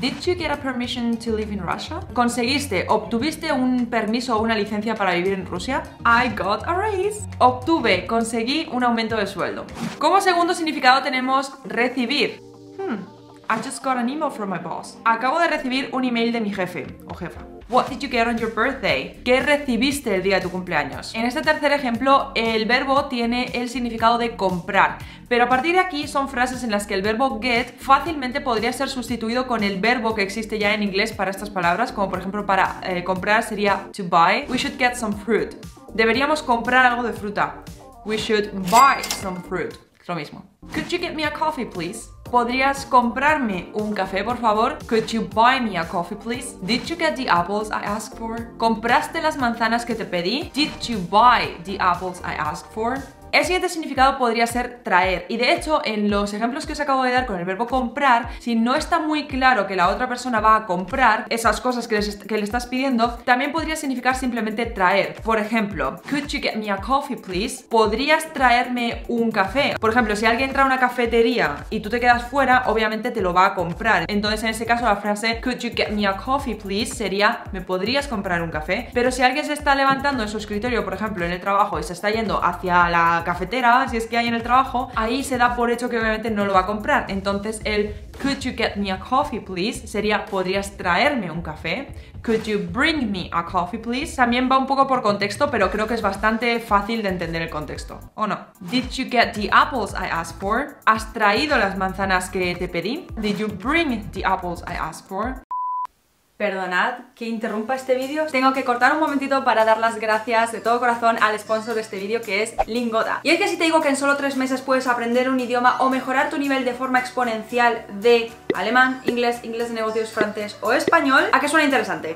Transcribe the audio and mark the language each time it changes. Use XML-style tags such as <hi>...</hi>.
<en>Did you get a permission to live in Russia?</en> <es>¿Conseguiste, obtuviste un permiso o una licencia para vivir en Rusia?</es> <en>I got a raise.</en> <es>Obtuve, conseguí un aumento de sueldo. Como segundo significado tenemos recibir.</es> <en>I just got an email from my boss.</en> <es>Acabo de recibir un email de mi jefe o jefa.</es> <en>What did you get on your birthday?</en> <es>¿Qué recibiste el día de tu cumpleaños? En este tercer ejemplo, el verbo tiene el significado de comprar. Pero a partir de aquí son frases en las que el verbo get fácilmente podría ser sustituido con el verbo que existe ya en inglés para estas palabras. Como por ejemplo para comprar sería to buy.</es> <en>We should get some fruit.</en> <es>Deberíamos comprar algo de fruta.</es> <en>We should buy some fruit.</en> <es>Lo mismo.</es> <en>Could you get me a coffee, please?</en> <es>¿Podrías comprarme un café, por favor?</es> <en>Could you buy me a coffee, please? Did you get the apples I asked for?</en> <es>¿Compraste las manzanas que te pedí?</es> <en>Did you buy the apples I asked for?</en> <es>El siguiente significado podría ser traer. Y de hecho, en los ejemplos que os acabo de dar con el verbo comprar, si no está muy claro que la otra persona va a comprar esas cosas que le estás pidiendo, también podría significar simplemente traer. Por ejemplo,</es> <en>could you get me a coffee, please?</en> <es>¿Podrías traerme un café? Por ejemplo, si alguien entra a una cafetería y tú te quedas fuera, obviamente te lo va a comprar. Entonces, en ese caso, la frase</es> <en>could you get me a coffee, please?</en> <es>Sería, ¿me podrías comprar un café? Pero si alguien se está levantando en su escritorio, por ejemplo, en el trabajo, y se está yendo hacia la cafetera, si es que hay en el trabajo, ahí se da por hecho que obviamente no lo va a comprar. Entonces el</es> <en>could you get me a coffee please</en> <es>sería, ¿podrías traerme un café?</es> <en>Could you bring me a coffee please?</en> <es>También va un poco por contexto, pero creo que es bastante fácil de entender el contexto. ¿O no?</es> <en>Did you get the apples I asked for?</en> <es>¿Has traído las manzanas que te pedí?</es> <en>Did you bring the apples I asked for?</en> <es>Perdonad que interrumpa este vídeo. Tengo que cortar un momentito para dar las gracias de todo corazón al sponsor de este vídeo, que es Lingoda. Y es que si te digo que en solo 3 meses puedes aprender un idioma o mejorar tu nivel de forma exponencial de alemán, inglés de negocios, francés o español, ¿a qué suena interesante?</es>